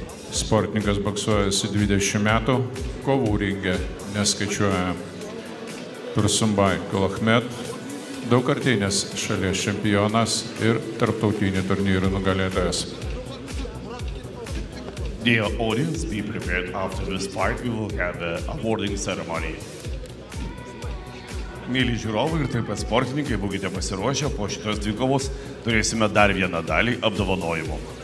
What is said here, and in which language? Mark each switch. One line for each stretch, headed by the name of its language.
Lithuanian: Sportininkas boksuojasi 20 metų, kovų ringe neskaičiuoja. Tursynbay, Kulakhmet, daugkartinis šalies čempionas ir tarptautinių turnyrų nugalėtojas.
English: Dear audience, be prepared. After this fight, we will have the awarding ceremony.
Lithuanian: Mėly žiūrovai ir taip pat sportininkai, būkite pasiruošę, po šitos dvikovos turėsime dar vieną dalį apdovanojimų.